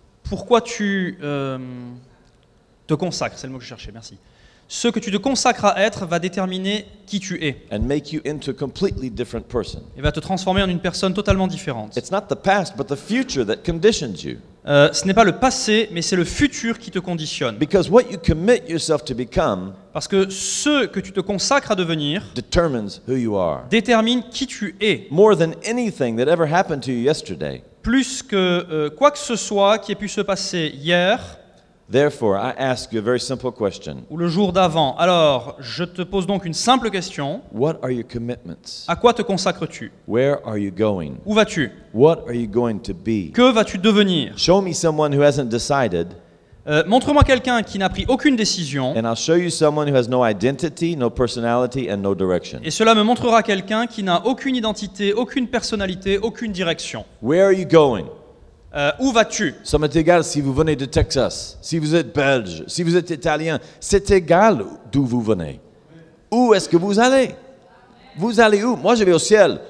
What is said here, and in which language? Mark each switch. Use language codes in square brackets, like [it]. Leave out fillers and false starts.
[fr] Te consacres, c'est le mot que je cherchais, merci. Ce que tu te consacres à être va déterminer qui tu es. [en] And make you into a completely different person. [fr] Et va te transformer en une personne totalement différente. [en] It's not the past, but the future that conditions you. [fr] Ce n'est pas le passé, mais c'est le futur qui te conditionne. [en] Because what you commit yourself to become. [fr] Parce que ce que tu te consacres à devenir [en] determines who you are. [fr] Détermine qui tu es. [en] More than anything that ever happened to you yesterday. [fr] Plus que quoi que ce soit qui ait pu se passer hier. [en] Therefore, I ask you a very simple question. [fr] Ou le jour d'avant. Alors, je te pose donc une simple question. [en] What are your commitments? [fr] À quoi te consacres-tu? [en] Where are you going? [fr] Où vas-tu? [en] What are you going to be? [fr] Que vas-tu devenir? [en] Show me someone who hasn't decided. [fr] Montre-moi quelqu'un qui n'a pris aucune décision. [en] And I'll show you someone who has no identity, no personality, and no direction. [fr] Et cela me montrera quelqu'un qui n'a aucune identité, aucune personnalité, aucune direction. [en] Where are you going? [fr] Où vas-tu? Ça m'est égal si vous venez de Texas, si vous êtes belge, si vous êtes italien. C'est égal d'où vous venez. Où est-ce que vous allez? Vous allez où? Moi, je vais au ciel.